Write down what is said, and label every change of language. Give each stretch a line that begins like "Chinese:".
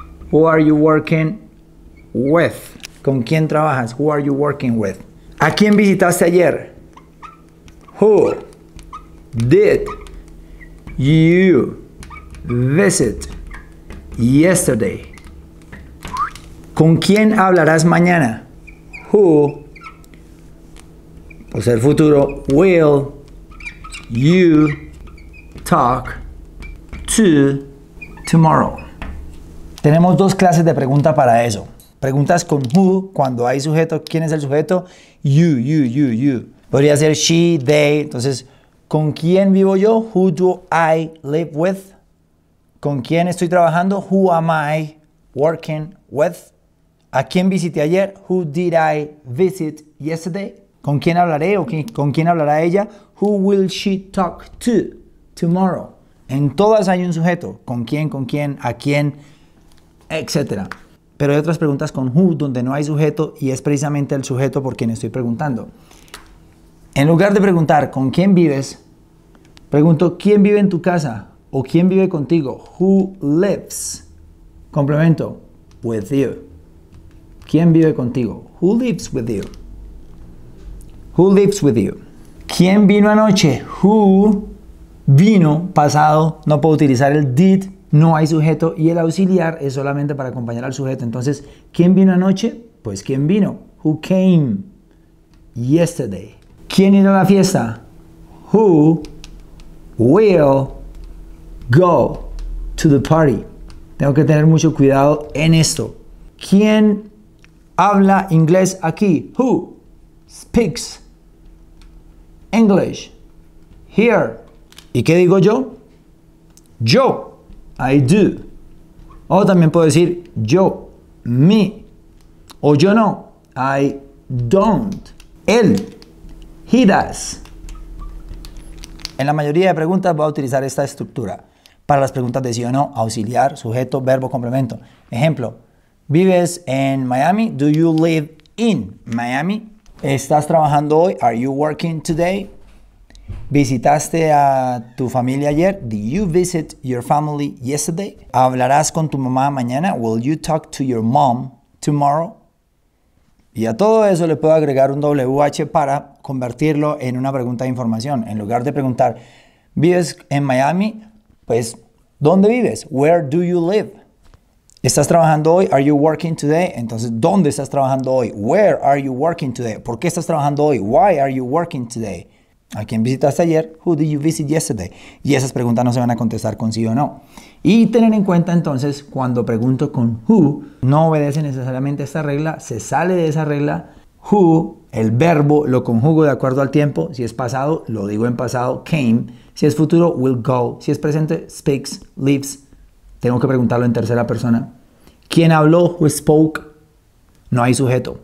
English: Who are you working with?
Spanish: ¿Con quién trabajas?
English: Who are you working with?
Spanish: ¿A quién visitaste ayer?
English: Who did you visit yesterday?
Spanish: ¿Con quién hablarás mañana?
English: Who,
Spanish: pues el futuro,
English: will you talk to tomorrow?
Spanish: Tenemos dos clases de pregunta para eso. Preguntas con who, cuando hay sujeto, ¿quién es el sujeto? You. Podría ser she, they, entonces, ¿con quién vivo yo?
English: Who do I live with?
Spanish: ¿Con quién estoy trabajando?
English: Who am I working with?
Spanish: ¿A quién visité ayer?
English: Who did I visit yesterday?
Spanish: ¿Con quién hablaré o con quién hablará ella?
English: Who will she talk to tomorrow?
Spanish: En todas hay un sujeto. Con quién, a quién, etc. Pero hay otras preguntas con who donde no hay sujeto y es precisamente el sujeto por quien estoy preguntando. En lugar de preguntar con quién vives, pregunto quién vive en tu casa o quién vive contigo.
English: Who lives? Complemento, with you.
Spanish: ¿Quién vive contigo?
English: Who lives with you? Who lives with you?
Spanish: ¿Quién vino anoche? Who vino, pasado, no puedo utilizar el did, no hay sujeto y el auxiliar es solamente para acompañar al sujeto. Entonces, ¿quién vino anoche? Pues, ¿quién vino?
English: Who came yesterday?
Spanish: ¿Quién irá a la fiesta?
English: Who will go to the party?
Spanish: Tengo que tener mucho cuidado en esto. ¿Quién habla inglés aquí?
English: Who speaks English here?
Spanish: ¿Y qué digo yo? Yo.
English: I do.
Spanish: O también puedo decir yo.
English: Me.
Spanish: O yo no.
English: I don't. Él. He does.
Spanish: En la mayoría de preguntas voy a utilizar esta estructura. Para las preguntas de sí o no, auxiliar, sujeto, verbo, complemento. Ejemplo. ¿Vives en Miami?
English: Do you live in Miami?
Spanish: ¿Estás trabajando hoy?
English: Are you working today?
Spanish: ¿Visitaste a tu familia ayer?
English: Did you visit your family yesterday?
Spanish: ¿Hablarás con tu mamá mañana?
English: Will you talk to your mom tomorrow?
Spanish: Y a todo eso le puedo agregar un WH para convertirlo en una pregunta de información. En lugar de preguntar, ¿vives en Miami? Pues, ¿dónde vives?
English: Where do you live?
Spanish: ¿Estás trabajando hoy?
English: Are you working today?
Spanish: Entonces, ¿dónde estás trabajando hoy?
English: Where are you working today?
Spanish: ¿Por qué estás trabajando hoy?
English: Why are you working today?
Spanish: ¿A quién visitaste ayer?
English: Who did you visit yesterday?
Spanish: Y esas preguntas no se van a contestar con sí o no. Y tener en cuenta entonces, cuando pregunto con who, no obedece necesariamente esta regla, se sale de esa regla. Who, el verbo, lo conjugo de acuerdo al tiempo. Si es pasado, lo digo en pasado, came. Si es futuro, will go. Si es presente, speaks, lives. Tengo que preguntarlo en tercera persona. ¿Quién habló?
English: Who spoke?
Spanish: No hay sujeto.